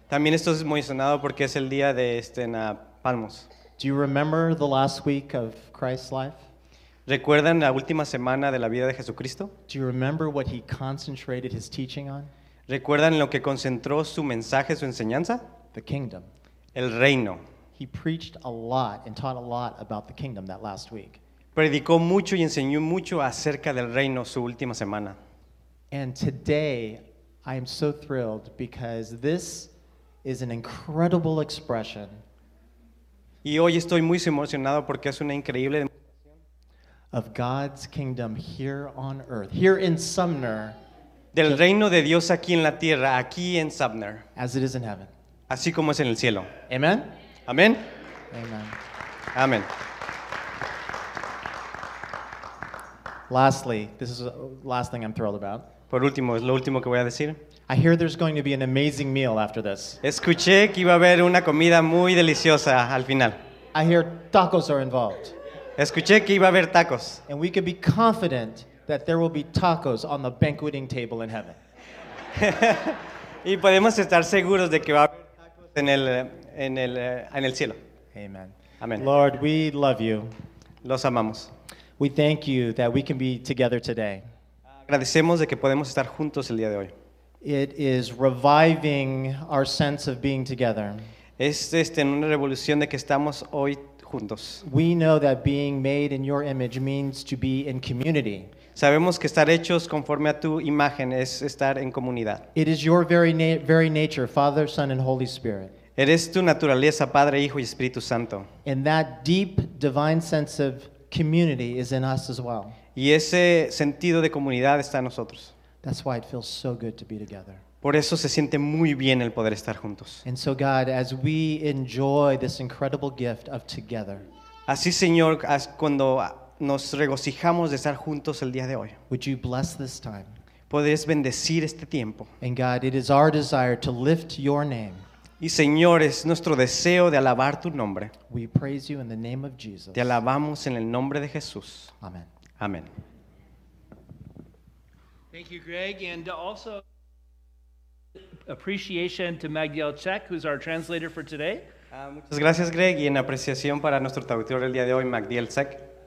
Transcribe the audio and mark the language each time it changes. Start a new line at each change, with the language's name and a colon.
Spanish: También estoy muy emocionado porque es el día de palmos.
English: Do you remember the last week of Christ's life?
Spanish: ¿Recuerdan la última semana de la vida de Jesucristo?
English: Do you remember what he concentrated his teaching on?
Spanish: ¿Recuerdan lo que concentró su mensaje, su enseñanza?
English: The kingdom.
Spanish: El reino.
English: He preached a lot and taught a lot about the kingdom that last week.
Spanish: Predicó mucho y enseñó mucho acerca del reino su última semana.
English: And today I am so thrilled because this is an incredible expression.
Spanish: Y hoy estoy muy emocionado porque es una increíble
English: of God's kingdom here on earth, here in Sumner.
Spanish: Del reino de Dios aquí en la tierra, aquí en Sumner.
English: As it is in heaven.
Spanish: Así como es en el cielo.
English: Amen. Amen. Amen. Amen. Lastly, this is the last thing I'm thrilled about.
Spanish: Por último, es lo último que voy a decir.
English: I hear there's going to be an amazing meal after this.
Spanish: Escuché que iba a haber una comida muy deliciosa al final.
English: I hear tacos are involved.
Spanish: Escuché que iba a haber tacos.
English: And we can be confident that there will be tacos on the banqueting table in heaven.
Spanish: Y podemos estar seguros de que va a haber tacos en el cielo.
English: Amen.
Spanish: Amen.
English: Lord, we love you.
Spanish: Los amamos.
English: We thank you that we can be together today.
Spanish: Agradecemos de que podemos estar juntos el día de hoy.
English: It is reviving our sense of being together.
Spanish: Es una revolución de que estamos hoy juntos.
English: We know that being made in your image means to be in community.
Spanish: Sabemos que estar hechos conforme a tu imagen es estar en comunidad.
English: It is your very nature, Father, Son, and Holy Spirit.
Spanish: Eres tu naturaleza, Padre, Hijo y Espíritu Santo.
English: And that deep divine sense of community is in us as well.
Spanish: Y ese sentido de comunidad está en nosotros.
English: That's why it feels so good to be together.
Spanish: Por eso se siente muy bien el poder estar juntos.
English: And so God, as we enjoy this incredible gift of together.
Spanish: Así, Señor, cuando nos regocijamos de estar juntos el día de hoy.
English: Would you bless this time?
Spanish: puedes bendecir este tiempo.
English: And God, it is our desire to lift your name.
Spanish: Y Señor, es nuestro deseo de alabar tu nombre.
English: We praise you in the name of Jesus.
Spanish: Te alabamos en el nombre de Jesús.
English: Amen.
Spanish: Amen.
English: Thank you, Greg, and also appreciation to Magdiel Czech, who's our translator for today.
Spanish: Muchas gracias, Greg, y en apreciación para nuestro traductor el día de hoy, Magdiel Czech.